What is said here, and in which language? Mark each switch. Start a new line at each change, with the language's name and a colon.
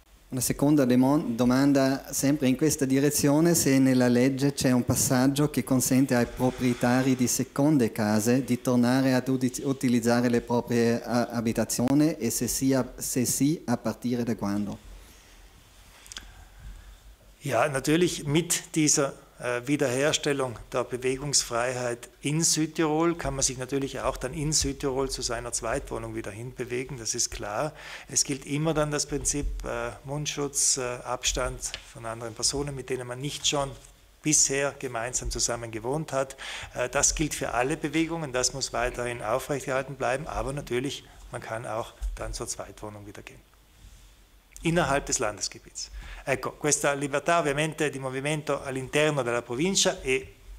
Italian: Una seconda domanda sempre in questa direzione: se nella legge c'è un passaggio che consente ai proprietari di seconde case di tornare ad utilizzare le proprie abitazioni, e se sì, a partire da quando?
German: Ja, natürlich mit dieser Wiederherstellung der Bewegungsfreiheit in Südtirol kann man sich natürlich auch dann in Südtirol zu seiner Zweitwohnung wieder hinbewegen, das ist klar. Es gilt immer dann das Prinzip Mundschutz, Abstand von anderen Personen, mit denen man nicht schon bisher gemeinsam zusammen gewohnt hat. Das gilt für alle Bewegungen, das muss weiterhin aufrechterhalten bleiben, aber natürlich, man kann auch dann zur Zweitwohnung wieder gehen. Innerhalb des Landesgebiets.
Italian: Ecco, questa libertà ovviamente di movimento all'interno della provincia e